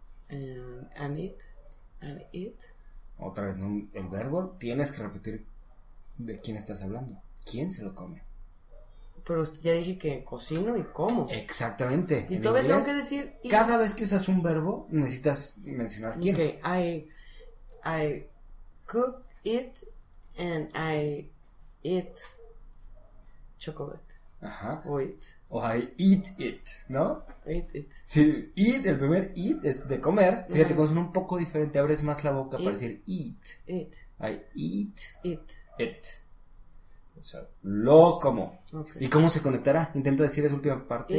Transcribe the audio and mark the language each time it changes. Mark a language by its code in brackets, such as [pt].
[en] It. And it. And it. [es] Otra vez, ¿no? El verbo, tienes que repetir de quién estás hablando. ¿Quién se lo come? Pero ya dije que cocino y como. Exactamente. Y todavía tengo que decir... Cada vez que usas un verbo, necesitas mencionar quién. [en] Okay, I cook it and I eat chocolate. [es] Ajá. O it. [en] O I eat it, ¿no? Eat it. [es] Sí, eat, el primer eat es de comer. Fíjate, cuando suena un poco diferente, abres más la boca para decir eat. [en] It. I eat. It. [es] It. O sea, lo como. [en] Okay. [es] ¿Y cómo se conectará? Intenta decir esa última parte.